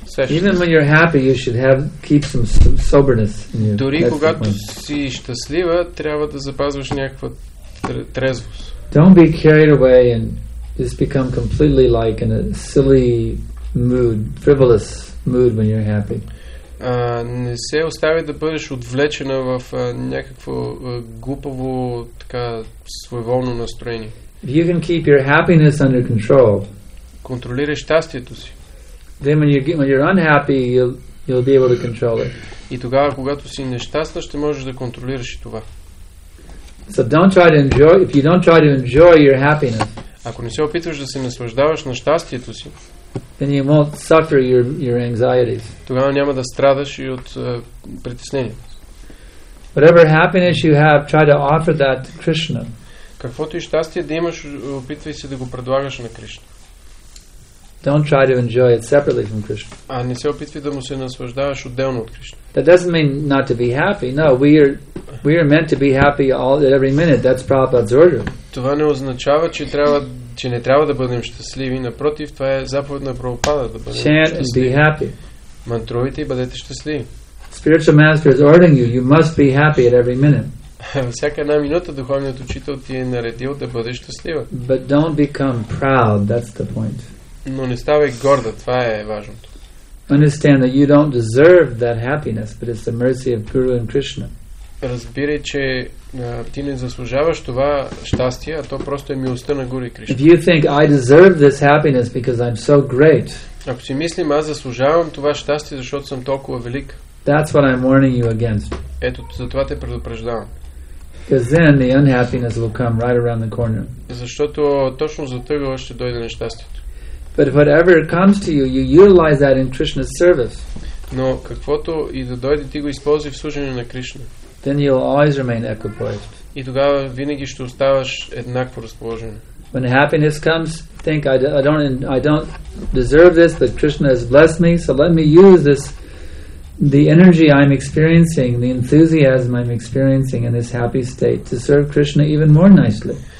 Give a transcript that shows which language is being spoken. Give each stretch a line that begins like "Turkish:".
English: Even when you're happy, you should have keep some soberness in you.
Bulgarian: Дори когато си щастлива, трябва да запазваш някаква трезвост.
English: Don't be carried away and just become completely like in a silly mood, frivolous mood when you're happy.
Bulgarian: Не се остави да бъдеш отвлечена в някакво глупаво така своеволно настроение.
English: You can keep your happiness under control.
Bulgarian: Контролираш щастието си.
English: Then when you're unhappy, you'll be able to control it.
Bulgarian: И тогава, когато си нещастна, ще можеш да контролираш и това.
English: So don't try to enjoy if you don't try to enjoy your happiness.
Bulgarian: Ако не се опитваш да се наслаждаваш на щастието си,
English: then you won't suffer your anxieties.
Bulgarian: Тогава няма да страдаш и от притеснение.
English: Whatever happiness you have, try to offer that to Krishna.
Bulgarian: Каквото и щастие да имаш, опитвай се да го предлагаш на Кришна.
English: Don't try to enjoy it separately from Krishna.
Bulgarian: А не се опитвай да му се наслаждаваш отделно от Кришна.
English: That doesn't mean not to be happy. No, we are meant to be happy all at every minute. That's Prabhupada's order.
Bulgarian: Това не означава, че трябва че не трябва да бъдем щастливи. Напротив, това е заповед на Прабхупада да бъдем
English: Chant
Bulgarian: щастливи.
English: And be happy.
Bulgarian: Мантровите и бъдете щастливи.
English: Spiritual master is ordering you, you must be happy at every minute.
Bulgarian: Всяка една минута духовният учител ти е наредил да бъдеш щастлива.
English: But don't become proud, that's the point.
Bulgarian: Но не ставай горда, това е важното.
English: Understand that you don't deserve that happiness, but it's the mercy of Guru and Krishna.
Bulgarian: Разбирай, че ти не заслужаваш това щастие, а то просто е милостта на Гуру и Кришна.
English: If you think I deserve this happiness because I'm so great.
Bulgarian: Ако си мислим, аз заслужавам това щастие, защото съм толкова велик.
English: That's what I'm warning you against.
Bulgarian: Ето, затова те предупреждавам.
English: Because then the unhappiness will come right around the corner.
Bulgarian: Защото точно за тъгъл ще дойде нещастието.
English: But whatever comes to you, you utilize that in Krishna's service.
Bulgarian: Но каквото и да дойде, ти го използвай в служение на Кришна.
English: Then you'll always remain equipoised.
Bulgarian: И тогава винаги ще оставаш еднакво разположен.
English: When happiness comes, think I don't deserve this, but Krishna has blessed me, so let me use this the energy I'm experiencing, the enthusiasm I'm experiencing in this happy state to serve Krishna even more nicely.